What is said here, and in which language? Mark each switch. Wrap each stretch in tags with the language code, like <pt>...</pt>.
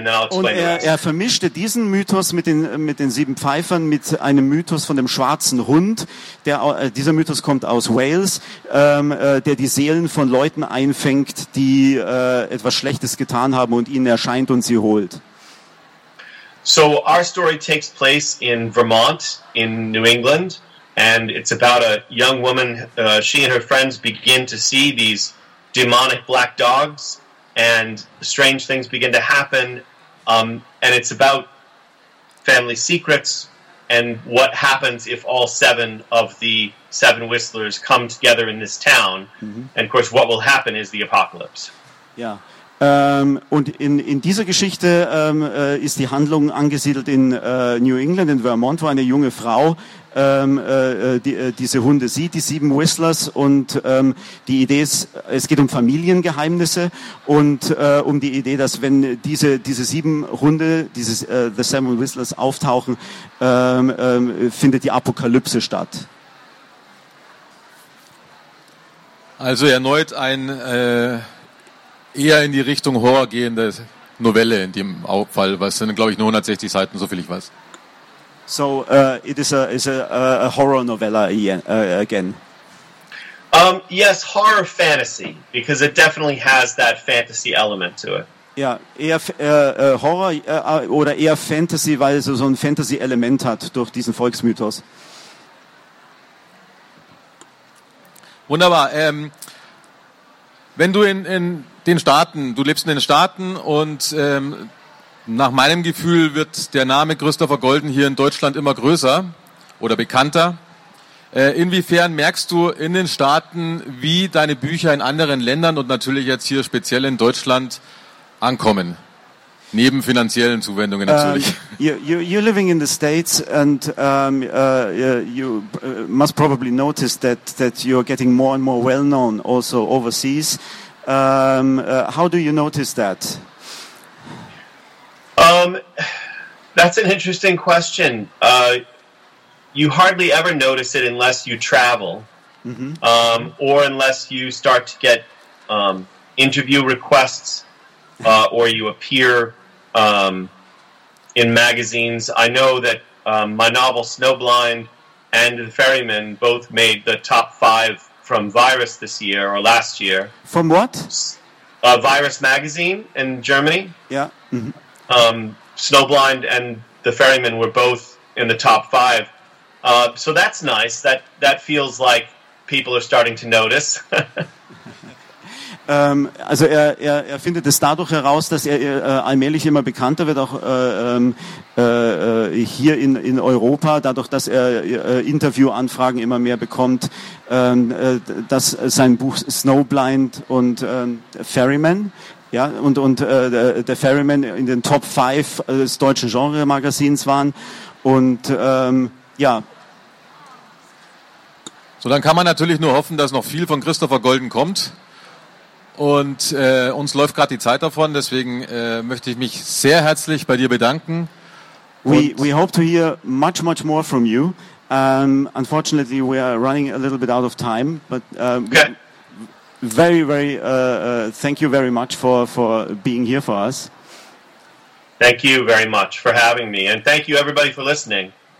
<de>Und er vermischte diesen Mythos mit den sieben Pfeifern, mit einem Mythos von dem schwarzen Hund. Dieser Mythos kommt aus Wales, der die Seelen von Leuten einfängt, die etwas Schlechtes getan haben, und ihnen erscheint und sie holt.</de> <en>So our story takes place in Vermont, in New England, and it's about a young woman. She and her friends begin to see these demonic black dogs. And strange things begin to happen, and it's about family secrets and what happens if all seven of the seven whistlers come together in this town. Mm-hmm. And of course, what will happen is the apocalypse. Yeah.</en> <de>Und in dieser Geschichte ist die Handlung angesiedelt in New England, in Vermont, wo eine junge Frau diese Hunde sieht, die sieben Whistlers, und die Idee ist, es geht um Familiengeheimnisse und um die Idee, dass wenn diese sieben Hunde, The Seven Whistlers, auftauchen, findet die Apokalypse statt. Also erneut ein eher in die Richtung Horror gehende Novelle in dem Fall, was sind, glaube ich, nur 160 Seiten, so viel ich weiß.</de> <en>So, it is a horror novella again. Yes, horror fantasy, because it definitely has that fantasy element to it.</en> <de>Ja, eher Horror oder eher Fantasy, weil es so ein Fantasy-Element hat durch diesen Volksmythos. Wunderbar. Wenn du in den Staaten, du lebst in den Staaten, und nach meinem Gefühl wird der Name Christopher Golden hier in Deutschland immer größer oder bekannter. Inwiefern merkst du in den Staaten, wie deine Bücher in anderen Ländern und natürlich jetzt hier speziell in Deutschland ankommen? Neben finanziellen Zuwendungen natürlich.</de> <en>You're living in the States, and you must probably notice that you're getting more and more well known also overseas. How do you notice that? That's an interesting question. You hardly ever notice it unless you travel. Mm-hmm. Or unless you start to get interview requests, or you appear in magazines. I know that my novel Snowblind and The Ferryman both made the top five from Virus this year or last year. From what? Virus magazine in Germany. Yeah. Mm-hmm. Snowblind and The Ferryman were both in the top five. So that's nice. That feels like people are starting to notice.</en> <de>Also er findet es dadurch heraus, dass er allmählich immer bekannter wird, auch hier in Europa, dadurch, dass er Interviewanfragen immer mehr bekommt, dass sein Buch Snowblind und Ferryman, ja, und der Ferryman in den Top 5 des deutschen Genre-Magazins waren. Und ja. So, dann kann man natürlich nur hoffen, dass noch viel von Christopher Golden kommt. Und uns läuft gerade die Zeit davon, deswegen möchte ich mich sehr herzlich bei dir bedanken.</de> <en>We hope to hear much, much more from you. Unfortunately, we are running a little bit out of time, but thank you very much for being here for us. Thank you very much for having me, and thank you everybody for listening.</en>